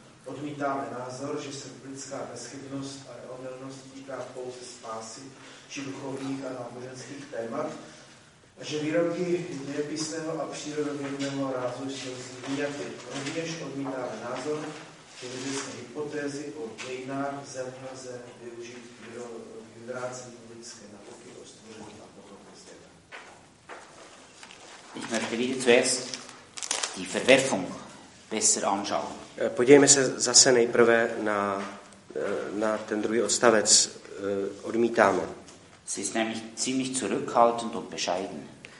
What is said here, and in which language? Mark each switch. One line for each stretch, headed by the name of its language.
Czech: Odmítáme názor, že se biblická bezchybnost a neomylnost týká pouze spásy či duchovních a náboženských témat a že výroky dějepisného a přírodovědného rázu jsou z jak je rovněž odmítáme názor, že by se hypotézy o dějinách země lze využít k vyvrácení lidské nauky o stvoření a potom světa.
German: Ich möchte wieder zuerst die Verwerfung besser anschauen.
Czech: Podívejme se zase nejprve na, na ten druhý odstavec odmítáme.
German: Sie ist nämlich ziemlich zurückhaltend und bescheiden.